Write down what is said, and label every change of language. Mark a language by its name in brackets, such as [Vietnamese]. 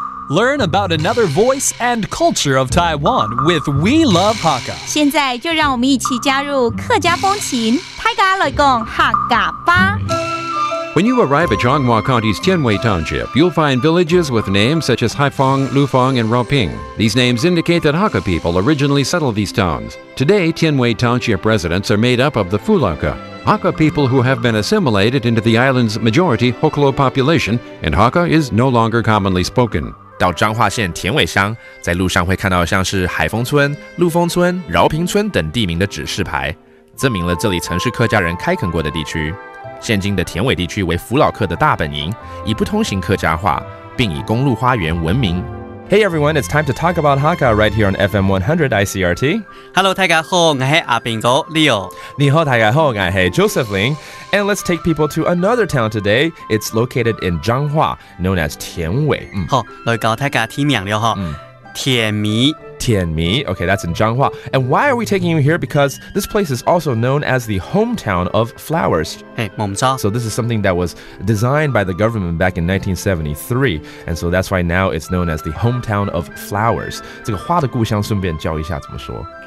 [English] Learn about another voice and culture of Taiwan with We Love Hakka. [Chinese] 现在就让我们一起加入客家风情，泰嘎来讲客家吧。 [English] When you arrive at Zhonghua County's Tianwei Township, you'll find villages with names such as Haifeng, Lufeng, and Raoping. These names indicate that Hakka people originally settled these towns. Today, Tianwei Township residents are made up of the Fulaka, Hakka people who have been assimilated into the island's majority Hoklo population, and Hakka is no longer commonly spoken. [Chinese] 到彰化县田尾乡，在路上会看到像是海丰村、陆丰村、饶平村等地名的指示牌，证明了这里曾是客家人开垦过的地区。现今的田尾地区为福老客的大本营，以不通行客家话，并以公路花园闻名。 [English] Hey everyone, it's time to talk about Hakka right here on FM 100 ICRT. [Chinese] Hello, 大家好，我是阿平哥 Leo. 你好，大家好，我是 Joseph Lin. [English] And let's take people to another town today. It's located in Zhonghua, known as Tianwei. [Chinese] 好，来教大家听名了哈。甜米 [English] okay, that's in Zhonghua. And why are we taking you here? Because this place is also known as the hometown of flowers. [Chinese] Hey, 没错。 [English] So this is something that was designed by the government back in 1973. And so that's why now it's known as the hometown of flowers. [Chinese] 这个花的故乡顺便教一下怎么说。